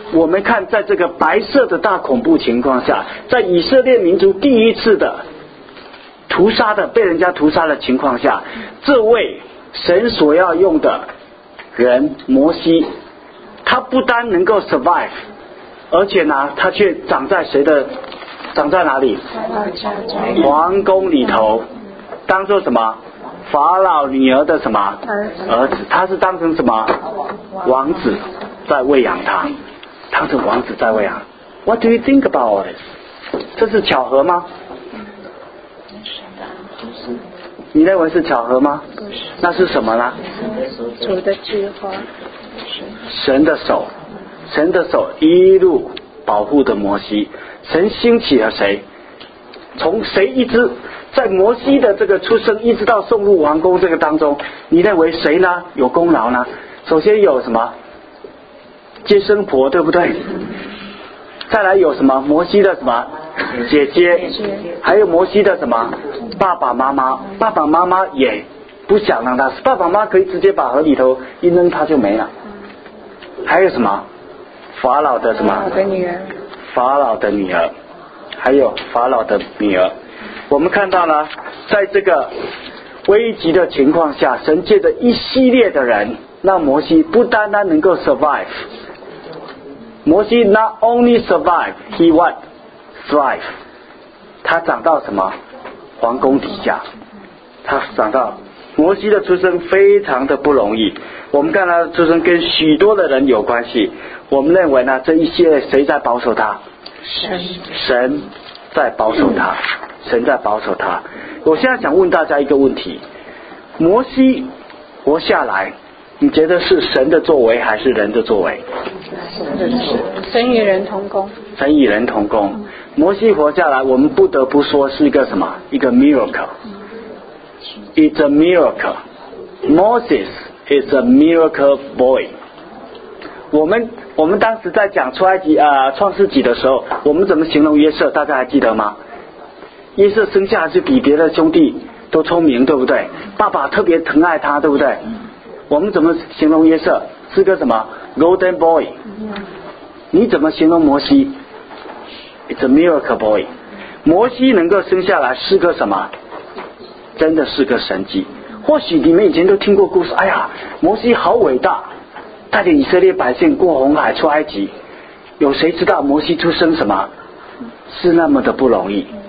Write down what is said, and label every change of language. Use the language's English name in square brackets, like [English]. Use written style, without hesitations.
[Chinese] 我们看在这个白色的大恐怖情况下，在以色列民族第一次的屠杀的被人家屠杀的情况下，这位神所要用的人摩西，他不单能够 survive， 而且呢他却长在谁的，长在哪里？皇宫里头，当做什么法老女儿的什么儿子，他是当成什么王子在喂养他，当成王子在喂养。 [English] What do you think about all this？ [Chinese] 这是巧合吗？你认为是巧合吗？那是什么呢？主的计划。神的手，神的手一路保护着摩西。神兴起了谁？从谁一直在摩西的这个出生一直到送入王宫这个当中，你认为谁呢有功劳呢？首先有什么接生婆，对不对？再来有什么摩西的什么姐姐，还有摩西的什么爸爸妈妈。爸爸妈妈也不想让他，爸爸妈妈可以直接把河里头一扔他就没了。还有什么法老的什么法老的女儿，法老的女儿，还有法老的女儿。我们看到了在这个危急的情况下，神借着一系列的人让摩西不单单能够 survive。 [English] 摩西 not only survive, he what? Thrive. [Chinese] 他长到什么？皇宫底下。他长到摩西的出生非常的不容易，我们看他的出生跟许多的人有关系。我们认为呢，这一些谁在保守他？神。神在保守他，神在保守他。我现在想问大家一个问题，摩西活下来，你觉得是神的作为还是人的作为？神与人同工。神与人同工。摩西活下来，我们不得不说是一个什么？一个 [English] miracle。It's a miracle. Moses is a miracle boy. [Chinese] 我们当时在讲出埃及创世纪的时候，我们怎么形容约瑟？大家还记得吗？约瑟生下来是比别的兄弟都聪明，对不对？爸爸特别疼爱他，对不对？我们怎么形容约瑟？是个什么 golden boy？你怎么形容摩西 ？ [English] It's a miracle boy. [Chinese] 摩西能够生下来是个什么？真的是个神迹。或许你们以前都听过故事，哎呀，摩西好伟大，带领以色列百姓过红海出埃及。有谁知道摩西出生什么是那么的不容易？